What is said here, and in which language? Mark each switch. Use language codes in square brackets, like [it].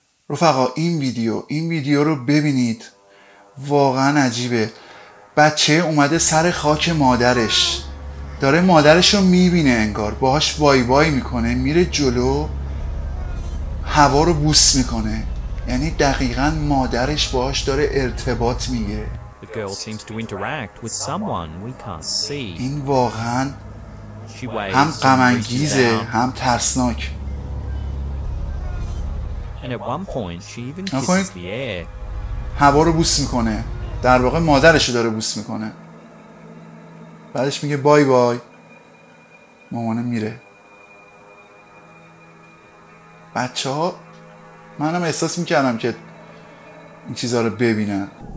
[fa] رفقا این ویدیو رو ببینید، واقعا عجیبه. بچه اومده سر خاک مادرش، داره مادرش رو میبینه، انگار باهاش بای بای میکنه، میره جلو، هوا رو بوس میکنه. یعنی دقیقا مادرش باهاش داره ارتباط میگیره. [en] The girl seems to interact with someone we can't see. [fa] این واقعا هم غم انگیزه هم ترسناک. [en] And at one point she even kisses the air. [fa] هوا رو بوس میکنه، در واقع مادرش رو داره بوس میکنه. بعدش میگه بای بای، مامانه میره. بچه ها منم احساس میکردم که این چیزها رو ببینن.